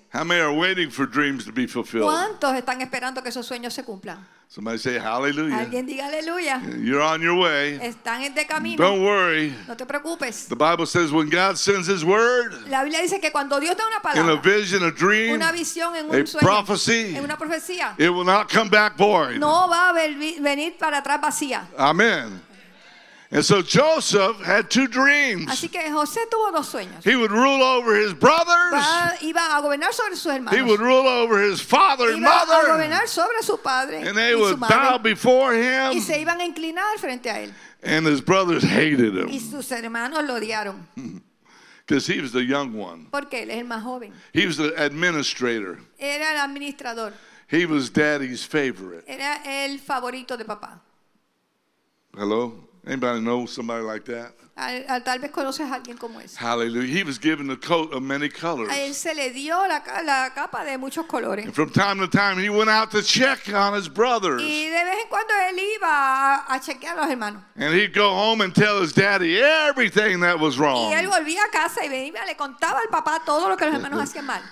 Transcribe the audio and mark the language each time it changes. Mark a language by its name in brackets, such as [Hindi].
[English] How many are waiting for dreams to be fulfilled? [Spanish] ¿Cuántos están esperando que esos sueños se cumplan? [English] Somebody say hallelujah. [Spanish] Alguien diga aleluya. [English] You're on your way. [Spanish] Están en de camino. [English] Don't worry. [Spanish] No te preocupes. [English] The Bible says when God sends his word, [Spanish] la Biblia dice que cuando Dios da una palabra, [English] in a vision, a dream, [Spanish] una visión, en un [English] a [Spanish] sueño, [English] prophecy, [Spanish] en una profecía, [English] it will not come back void. [Spanish] No va a venir para atrás vacía. [English] Amen. And so Joseph had two dreams. [Spanish] Así que José tuvo dos sueños. [English] He would rule over his brothers. [Spanish] Iba a gobernar sobre sus hermanos. [English] He would rule over his father [Spanish] iba [English] and mother. [Spanish] A gobernar sobre su padre [English] and they [Spanish] y [English] would [Spanish] su madre. [English] Bow before him. [Spanish] Y se iban a inclinar frente a él. [English] And his brothers hated him. [Spanish] Y sus hermanos lo odiaron. [English] Because he was the young one. [Spanish] Porque él es el más joven. [English] He was the administrator. [Spanish] Era el administrador. [English] He was daddy's favorite. [Spanish] Era el favorito de papá. [English] Hello? Anybody know somebody like that? [Spanish] Tal vez conoces a alguien como ese. [English] Hallelujah. He was given the coat of many colors. [Spanish] A él se le dio la capa de muchos colores. [English] And from time to time, he went out to check on his brothers. [Spanish] Y de vez en cuando él iba a chequear a los hermanos. [English] And he'd go home and tell his daddy everything that was wrong. [Spanish] Y él volvía a casa y venía y le contaba al papá todo lo que los hermanos hacían mal.